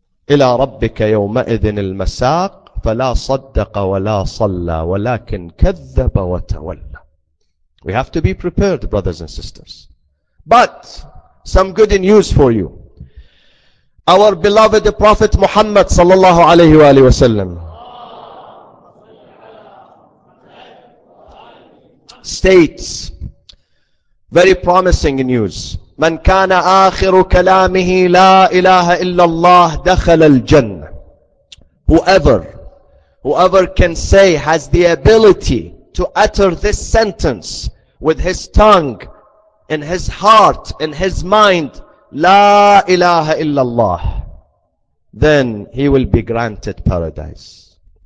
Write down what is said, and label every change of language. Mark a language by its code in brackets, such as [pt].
[ar] إلى ربك يومئذ المساق فلا صدق ولا صلى ولكن كذب وتولى. [en] We have to be prepared, brothers and sisters. But some good news for you. Our beloved Prophet Muhammad [ar] sallallahu alayhi wa alayhi wa sallam [en] states very promising news. [ar] من كان آخر كلامه لا إله إلا الله دخل الجنة. [en] Whoever can say, has the ability to utter this sentence with his tongue, in his heart, in his mind, [ar] لا إله إلا الله, [en] then he will be granted paradise.